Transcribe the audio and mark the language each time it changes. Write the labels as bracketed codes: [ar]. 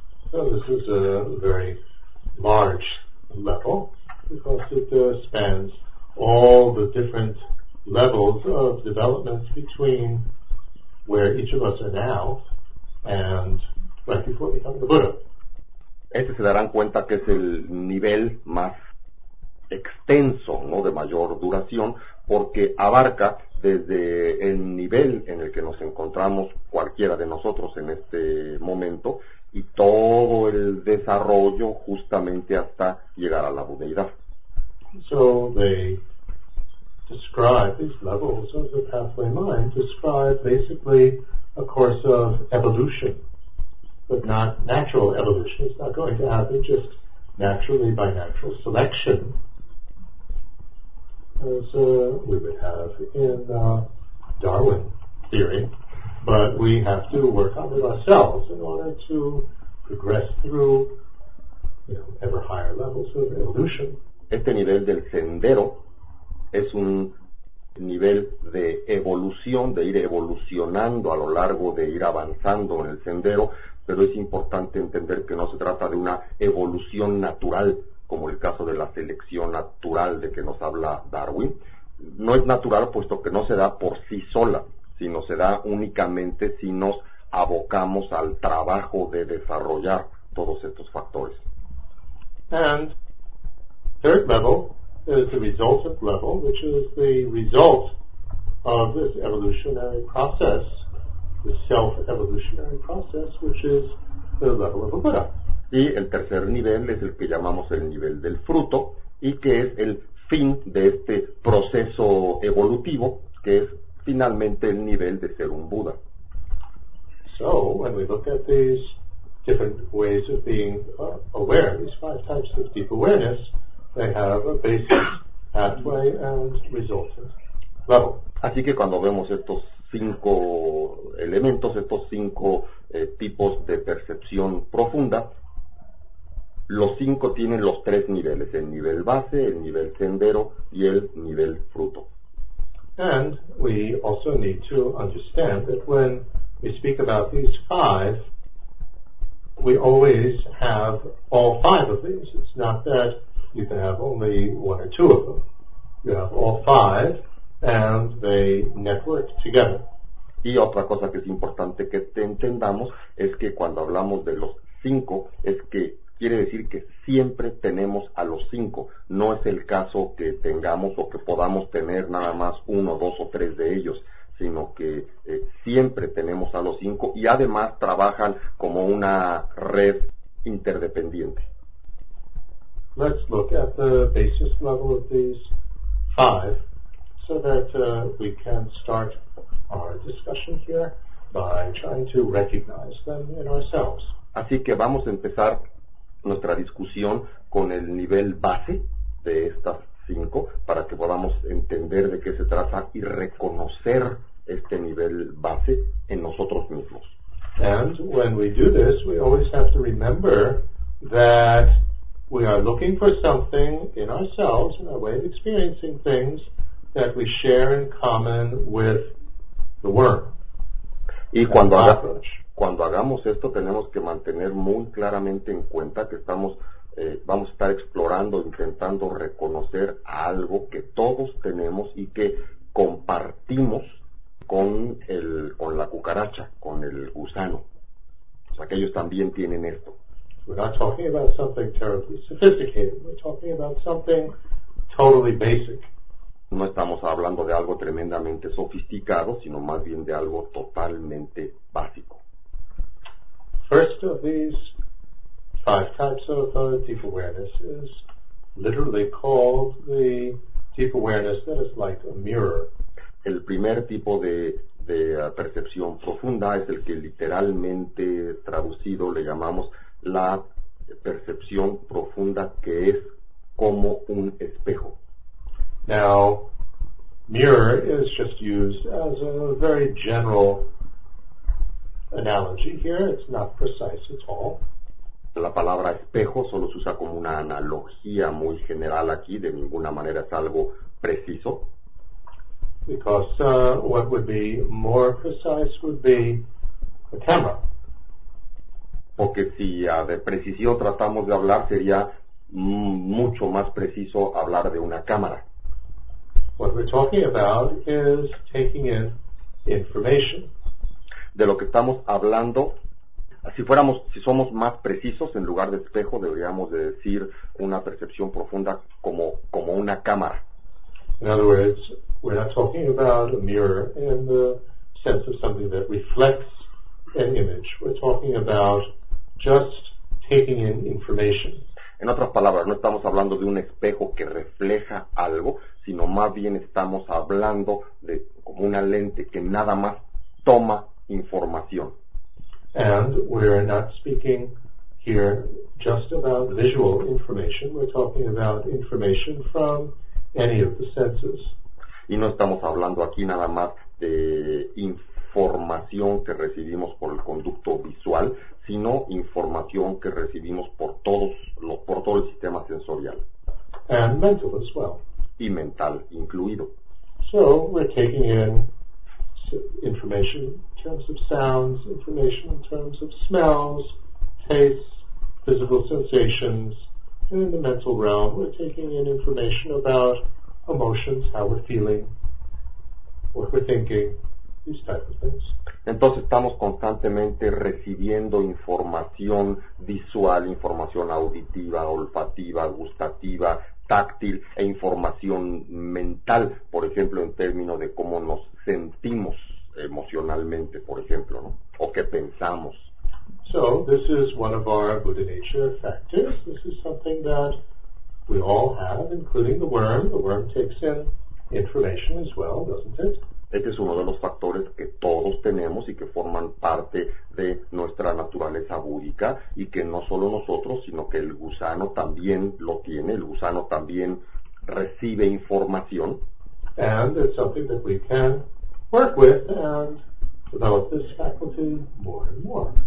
[en] So this is a very large level because it spans all the different levels of development between where each of us are now and right before becoming the Buddha. [es] Este se darán cuenta que es el nivel más extenso, ¿no?, de mayor duración, porque abarca desde el nivel en el que nos encontramos cualquiera de nosotros en este momento y todo el desarrollo justamente hasta llegar a la budeidad. [en] So they describe these levels of the pathway mind, describe basically a course of evolution, but not natural evolution. It's not going to happen just naturally by natural selection, as we would have in Darwin theory, but we have to work on it ourselves in order to progress through, you know, ever higher levels of evolution. [es] Este nivel del sendero es un nivel de evolución, de ir evolucionando a lo largo, de ir avanzando en el sendero, pero es importante entender que no se trata de una evolución natural, como el caso de la selección natural de que nos habla Darwin. No es natural puesto que no se da por sí sola, sino se da únicamente si nos abocamos al trabajo de desarrollar todos estos factores. [en] And third level is the result of level, which is the result of this evolutionary process, the self-evolutionary process, which is the level of a Buddha. [es] Y el tercer nivel es el que llamamos el nivel del fruto, y que es el fin de este proceso evolutivo, que es finalmente el nivel de ser un Buddha. [en] So, when we look at these different ways of being aware, these five types of deep awareness, they have a basis, pathway, and resultant level. [es] Así que cuando vemos estos cinco elementos, estos cinco tipos de percepción profunda, los cinco tienen los tres niveles, el nivel base, el nivel sendero, y el nivel fruto. [en] And we also need to understand that when we speak about these five, we always have all five of these. It's not that you can have only one or two of them. You have all five, and they network together. [es] Y otra cosa que es importante que te entendamos es que cuando hablamos de los cinco, es que quiere decir que siempre tenemos a los cinco. No es el caso que tengamos o que podamos tener nada más uno, dos o tres de ellos, sino que siempre tenemos a los cinco y además trabajan como una red interdependiente. [en] Let's look at the basis level of these five so that we can start our discussion here by trying to recognize them in ourselves. [es] Así que vamos a empezar nuestra discusión con el nivel base de estas cinco para que podamos entender de qué se trata y reconocer este nivel base en nosotros mismos. [en] And when we do this, we always have to remember that we are looking for something in ourselves, in our way of experiencing things, that we share in common with the worm. [es] Y cuando cuando hagamos esto, tenemos que mantener muy claramente en cuenta que estamos vamos a estar explorando, intentando reconocer algo que todos tenemos y que compartimos con el con la cucaracha, con el gusano. O sea, que ellos también tienen esto. [en] We're not talking about something terribly sophisticated. We're talking about something totally basic. [es] No estamos hablando de algo tremendamente sofisticado, sino más bien de algo totalmente básico. [en] First of these five types of deep awareness is literally called the deep awareness that is like a mirror. [es] El primer tipo de percepción profunda es el que literalmente traducido le llamamos la percepción profunda que es como un espejo. [en] Now, mirror is just used as a very general analogy here, it's not precise at all. [es] La palabra espejo solo se usa como una analogía muy general aquí, de ninguna manera es algo preciso. [en] Because what would be more precise would be a camera. [es] Porque si de precisión tratamos de hablar, sería mucho más preciso hablar de una cámara. [en] What we're talking about is taking in information. [es] De lo que estamos hablando, si fuéramos, si somos más precisos, en lugar de espejo, deberíamos de decir una percepción profunda como, como una cámara. [en] In other words, we're not talking about a mirror in the sense of something that reflects an image. We're talking about just taking in information. [es] En otras palabras, no estamos hablando de un espejo que refleja algo, sino más bien estamos hablando de como una lente que nada más toma información. [en] And we're not speaking here just about visual information. We're talking about information from any of the senses. [es] Y no estamos hablando aquí nada más de información que recibimos por el conducto visual, sino información que recibimos por todos los por todo el sistema sensorial. [en] And mental as well. [es] Y mental incluido. [en] So we're taking in information in terms of sounds, information in terms of smells, tastes, physical sensations, and in the mental realm, we're taking in information about emotions, how we're feeling, what we're thinking, these types of things. [es] Entonces estamos constantemente recibiendo información visual, información auditiva, olfativa, gustativa, táctil e información mental, por ejemplo, en términos de cómo nos sentimos emocionalmente, por ejemplo, ¿no? O qué pensamos. [en] So, this is one of our Buddha nature factors. This is something that we all have, including the worm. The worm takes in information as well, doesn't it? [es] Este es uno de los factores que todos tenemos y que forman parte de nuestra naturaleza búdica y que no solo nosotros, sino que el gusano también lo tiene. El gusano también recibe información. [en] And it's something that we can work with and develop this faculty more and more.